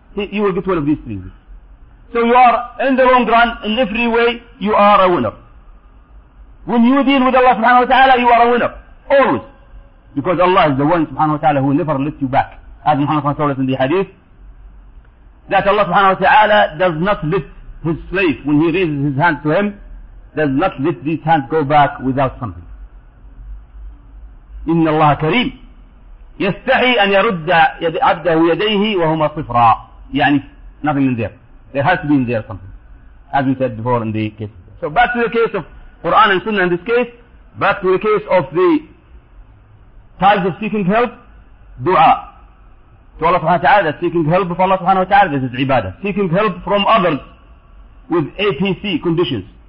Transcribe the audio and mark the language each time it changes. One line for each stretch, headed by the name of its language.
English: You will get one of these three. So you are, in the long run, in every way, you are a winner. When you deal with Allah subhanahu wa ta'ala, you are a winner. Always. Because Allah is the one subhanahu wa ta'ala who never lets you back. As Muhammad SAW told us in the hadith, that Allah subhanahu wa ta'ala does not let his slave, when he raises his hand to him, does not let these hands go back without something.
Arabic: Inna Allah kareem. يستحي أن يرد عبده يديه وهما صفراء.
English: يعني nothing in there. There has to be in there something. As we said before in the case. So back to the case of Quran and Sunnah in this case. Back to the case of the types of seeking help. Dua. To Allah subhanahu wa ta'ala, seeking help from Allah subhanahu wa ta'ala, this is ibadah. Seeking help from others with APC conditions.